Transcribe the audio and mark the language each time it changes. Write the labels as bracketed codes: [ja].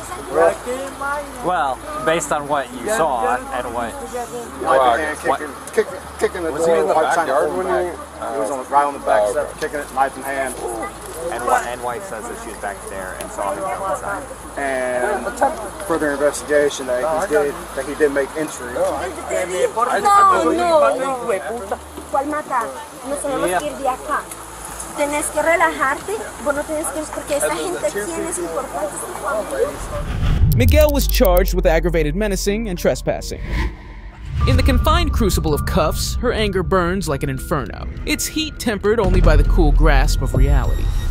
[en] Well, based on what you saw and what... Kicking the door. Was he in the backyard when he was on, right on the back step, kicking it, knife in hand. And what and wife says that she was back there and saw him come outside. And further investigation that he did, that he did make entry. [es] No, tienes que relajarte, vos no tienes que, porque esta gente tiene es importante su familia. [en] Miguel was charged with aggravated menacing and trespassing. In the confined crucible of cuffs, her anger burns like an inferno. Its heat tempered only by the cool grasp of reality.